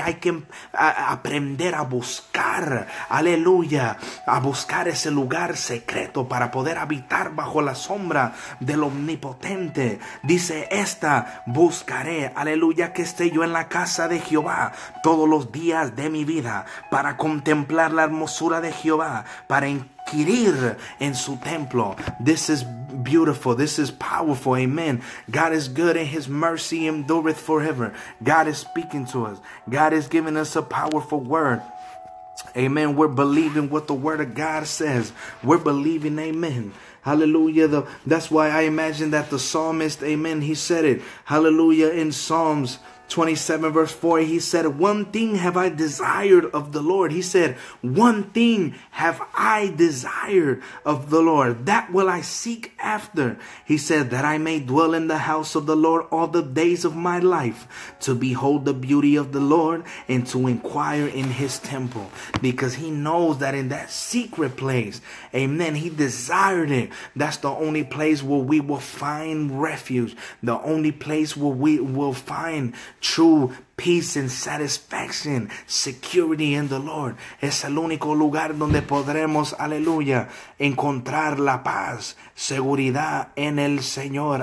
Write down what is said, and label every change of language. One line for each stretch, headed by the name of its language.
Spanish: Hay que aprender a buscar, aleluya, a buscar ese lugar secreto para poder habitar bajo la sombra del Omnipotente. Dice, esta buscaré, aleluya, que esté yo en la casa de Jehová todos los días de mi vida, para contemplar la hermosura de Jehová, para inquirir en su templo.
English: This is beautiful, this is powerful, amen. God is good and his mercy endureth forever. God is speaking to us. God is giving us a powerful word. Amen. We're believing what the word of God says. We're believing, amen. Hallelujah. That's why I imagine that the psalmist, amen, he said it. Hallelujah. In Psalms 27 verse 4, he said, one thing have I desired of the Lord. He said, one thing have I desired of the Lord. That will I seek after. He said, that I may dwell in the house of the Lord all the days of my life, to behold the beauty of the Lord and to inquire in his temple. Because he knows that in that secret place, amen, he desired it. That's the only place where we will find refuge. The only place where we will find true peace and satisfaction, security in the Lord.
Spanish: Es el único lugar donde podremos, aleluya, encontrar la paz, seguridad en el Señor.